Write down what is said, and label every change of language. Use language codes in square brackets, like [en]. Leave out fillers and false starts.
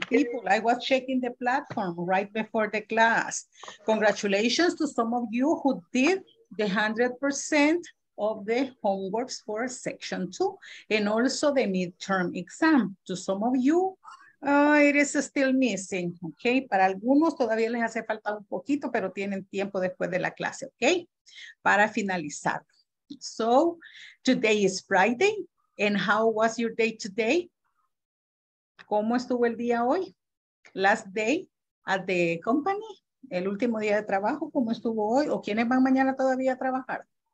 [en] People, I was checking the platform right before the class. Congratulations to some of you who did the 100% of the homeworks for section two and also the midterm exam. To some of you, it is still missing, okay? [es] Para algunos todavía les hace falta un poquito, pero tienen tiempo después de la clase, okay? Para finalizar. [en] So, today is Friday, and how was your day today? [es] ¿Cómo estuvo el día hoy? [en] Last day at the company, [es] el último día de trabajo, ¿cómo estuvo hoy? ¿O quiénes van mañana todavía a trabajar?